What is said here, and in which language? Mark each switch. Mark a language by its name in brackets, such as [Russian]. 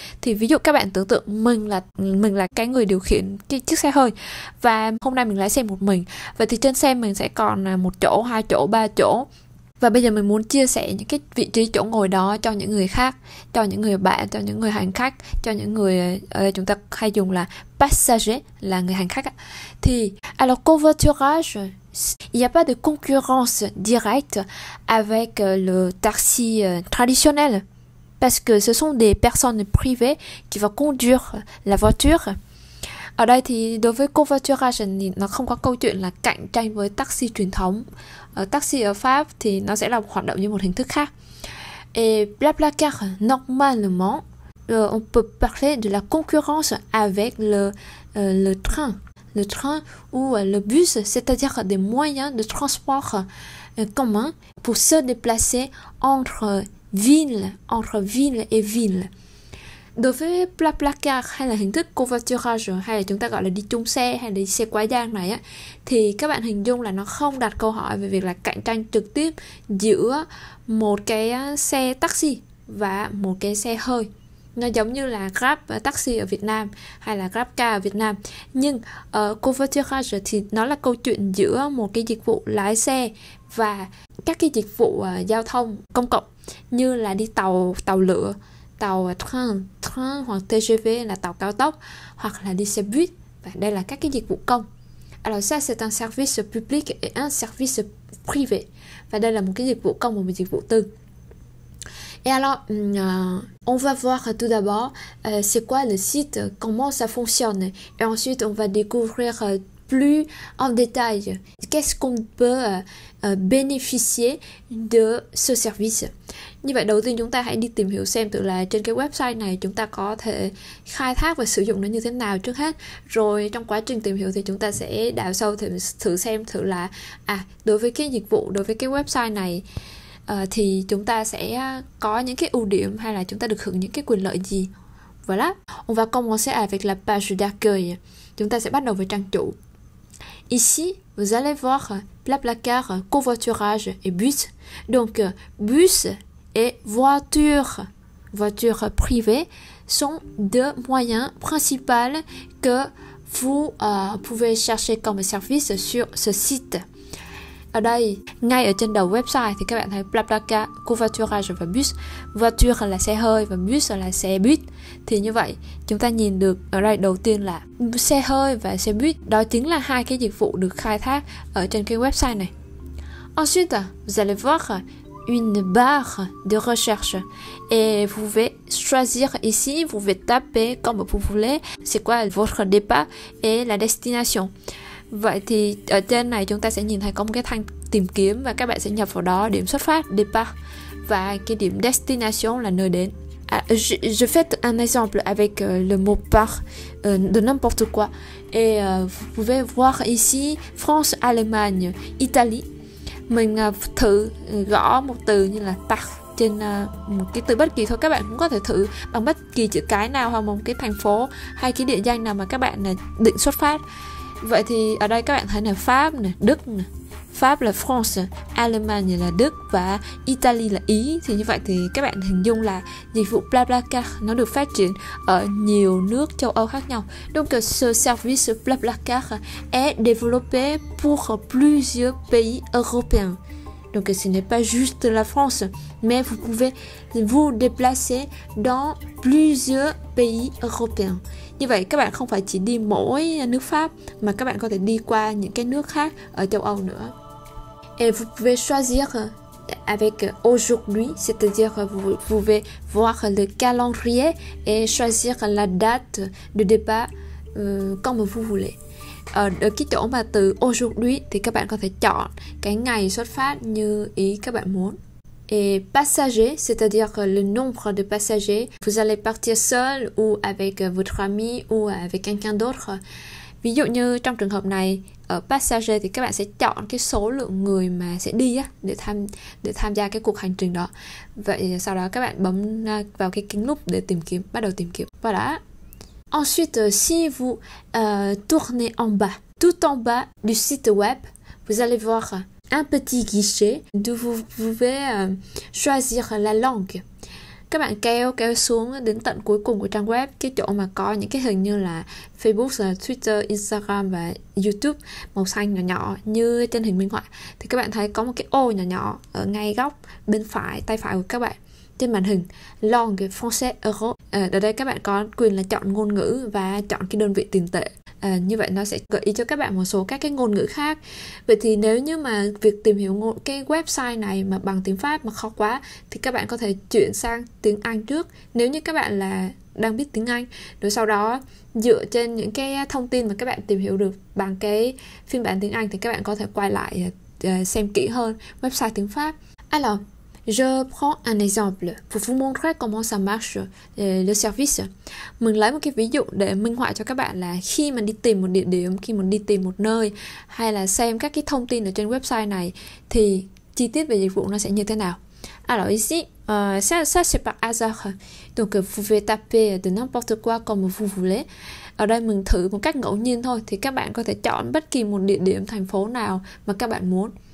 [Vietnamese] Thì ví dụ các bạn tưởng tượng mình là cái người điều khiển cái chiếc xe hơi, và hôm nay mình lái xe một mình, vậy thì trên xe mình sẽ còn là một chỗ, hai chỗ, ba chỗ. Và bây giờ mình muốn chia sẻ những cái vị trí chỗ ngồi đó cho những người khác, cho những người bạn, cho những người hành khách, cho những người ở đây chúng ta hay dùng là passager, là người hành khách á. [French] Thì alors covoiturage, il n'y a pas de concurrence directe avec le taxi traditionnel parce que ce sont des personnes privées qui vont conduire la voiture. [Vietnamese] Ở đây thì đối với covoiturage thì nó không có câu chuyện là cạnh tranh với taxi truyền thống. Ở taxi ở Pháp thì nó sẽ là hoạt động như một hình thức khác. [French] Et BlaBlaCar, normalement, on peut parler de la concurrence avec le train ou le bus, c'est-à-dire des moyens de transport communs pour se déplacer entre ville et ville. [Vietnamese] Đối với BlaBlaCar hay là hình thức covoiturage hay là chúng ta gọi là đi chung xe hay là đi xe quá giang này á, thì các bạn hình dung là nó không đặt câu hỏi về việc là cạnh tranh trực tiếp giữa một cái xe taxi và một cái xe hơi. Nó giống như là Grab taxi ở Việt Nam hay là Grab car ở Việt Nam. Nhưng covoiturage thì nó là câu chuyện giữa một cái dịch vụ lái xe và các cái dịch vụ giao thông công cộng như là đi tàu, tàu lửa, tàu train, train hoặc TGV là tàu cao tốc, hoặc là đi xe buýt. Và đây là các cái dịch vụ công. [French] Alors ça, c'est un service public et un service privé. [Vietnamese] Và đây là một cái dịch vụ công và một dịch vụ tư. [French] Et alors, on va voir tout d'abord c'est quoi le site, comment ça fonctionne. Et ensuite, on va découvrir plus en détail qu'est-ce qu'on peut bénéficier de ce service. [Vietnamese] Như vậy, đầu tiên chúng ta hãy đi tìm hiểu xem tự là trên cái website này chúng ta có thể khai thác và sử dụng nó như thế nào trước hết. Rồi trong quá trình tìm hiểu thì chúng ta sẽ đào sâu thử xem thử là đối với cái dịch vụ, đối với cái website này thì chúng ta sẽ có những cái ưu điểm hay là chúng ta được hưởng những cái quyền lợi gì. [French] Voilà. On va commencer avec la page d'accueil. [Vietnamese] Chúng ta sẽ bắt đầu với trang chủ. [French] Ici, vous allez voir BlaBlaCar, covoiturage et bus. Donc, bus et voiture privée sont deux moyens principaux que vous pouvez chercher comme service sur ce site. [Vietnamese] Ở đây, ngay ở trên đầu website thì các bạn thấy BlaBlaCar, covoiturage và bus. Voiture là xe hơi và bus là xe buýt. Thì như vậy, chúng ta nhìn được ở đây đầu tiên là xe hơi và xe buýt. Đó chính là hai cái dịch vụ được khai thác ở trên cái website này. [French] Ensuite, vous allez voir une barre de recherche et vous pouvez choisir ici, vous pouvez taper comme vous voulez, c'est quoi votre départ et la destination. [Vietnamese] Vậy thì ở trên này chúng ta sẽ nhìn thấy có một cái thanh tìm kiếm và các bạn sẽ nhập vào đó điểm xuất phát, départ, và cái điểm destination là nơi đến. [French] Je fais un exemple avec le mot part de n'importe quoi. Et vous pouvez voir ici France, Allemagne, Italie. [Vietnamese] Mình thử gõ một từ như là part trên một cái từ bất kỳ thôi, các bạn cũng có thể thử bằng bất kỳ chữ cái nào hoặc một cái thành phố hay cái địa danh nào mà các bạn định xuất phát. Vậy thì ở đây các bạn thấy là Pháp nè, Đức nè. Pháp là France, Allemagne là Đức và Italy là Ý. Thì như vậy thì các bạn hình dung là dịch vụ BlaBlaCar nó được phát triển ở nhiều nước châu Âu khác nhau. [French] Donc ce service BlaBlaCar est développé pour plusieurs pays européens. Donc ce n'est pas juste la France, mais vous pouvez vous déplacer dans plusieurs pays européens. [Vietnamese] Như vậy các bạn không phải chỉ đi mỗi nước Pháp mà các bạn có thể đi qua những cái nước khác ở châu Âu nữa. [French] Et vous pouvez choisir avec aujourd'hui, c'est-à-dire vous pouvez voir le calendrier et choisir la date de départ comme vous voulez. [Vietnamese] Ở cái chỗ mà từ aujourd'hui thì các bạn có thể chọn cái ngày xuất phát như ý các bạn muốn. [French] Et passager, c'est-à-dire le nombre de passagers. Vous allez partir seul ou avec votre ami ou avec quelqu'un d'autre. [Vietnamese] Ví dụ như trong trường hợp này, ở passager thì các bạn sẽ chọn cái số lượng người mà sẽ đi á, để tham gia cái cuộc hành trình đó. Vậy sau đó các bạn bấm vào cái kính lúp để tìm kiếm, bắt đầu tìm kiếm. Và đã. [French] Ensuite, si vous tournez en bas, tout en bas du site web, vous allez voir un petit guichet d'où vous pouvez choisir la langue. [Vietnamese] Các bạn kéo kéo xuống đến tận cuối cùng của trang web, cái chỗ mà có những cái hình như là Facebook, Twitter, Instagram và YouTube màu xanh nhỏ nhỏ như trên hình minh họa. Thì các bạn thấy có một cái ô nhỏ nhỏ ở ngay góc bên phải, tay phải của các bạn trên màn hình. [French] Langue française euro. [Vietnamese] Ở đây các bạn có quyền là chọn ngôn ngữ và chọn cái đơn vị tiền tệ. À, như vậy nó sẽ gợi ý cho các bạn một số các cái ngôn ngữ khác. Vậy thì nếu như mà việc tìm hiểu cái website này mà bằng tiếng Pháp mà khó quá thì các bạn có thể chuyển sang tiếng Anh trước nếu như các bạn là đang biết tiếng Anh, rồi sau đó dựa trên những cái thông tin mà các bạn tìm hiểu được bằng cái phiên bản tiếng Anh thì các bạn có thể quay lại xem kỹ hơn website tiếng Pháp. [French] Alors, je prends un exemple pour vous montrer comment ça marche le service. [Vietnamese] Mình lấy một cái ví dụ để minh họa cho các bạn là khi mà đi tìm một địa điểm, khi mà đi tìm một nơi hay là xem các cái thông tin ở trên website này thì chi tiết về dịch vụ nó sẽ như thế nào. [French] Alors ici, ça c'est par hasard. Donc vous pouvez taper de n'importe quoi comme vous voulez. [Vietnamese] Ở đây mình thử một cách ngẫu nhiên thôi thì các bạn có thể chọn bất kỳ một địa điểm thành phố nào mà các bạn muốn.